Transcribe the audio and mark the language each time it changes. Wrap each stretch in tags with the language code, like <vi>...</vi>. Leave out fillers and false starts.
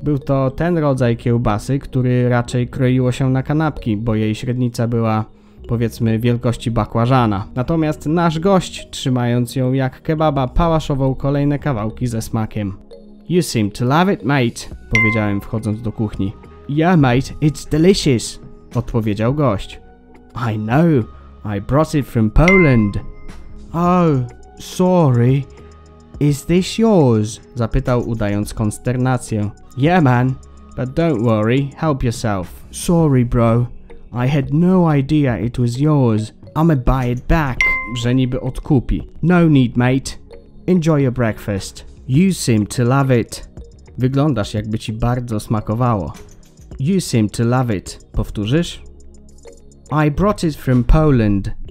<pl>Był to ten rodzaj kiełbasy, który raczej kroiło się na kanapki, bo jej średnica była powiedzmy wielkości bakłażana. Natomiast nasz gość, trzymając ją jak kebaba, pałaszował kolejne kawałki ze smakiem.</pl> <en>You seem to love it, mate,</en> <pl>powiedziałem wchodząc do kuchni.</pl> <en>Yeah, mate, it's delicious,</en> <pl>odpowiedział gość.</pl> <en>I know, I brought it from Poland. Oh, sorry, is this yours?</en> <pl>Zapytał, udając konsternację.</pl> <en>Yeah, man, but don't worry, help yourself. Sorry, bro, I had no idea it was yours. I'ma buy it back.</en> <pl>Że niby odkupi.</pl> <en>No need, mate. Enjoy your breakfast. You seem to love it.</en> <pl>Wyglądasz, jakby ci bardzo smakowało.</pl> <en>You seem to love it.</en> <pl>Powtórzysz?</pl> <en>I brought it from Poland.</en>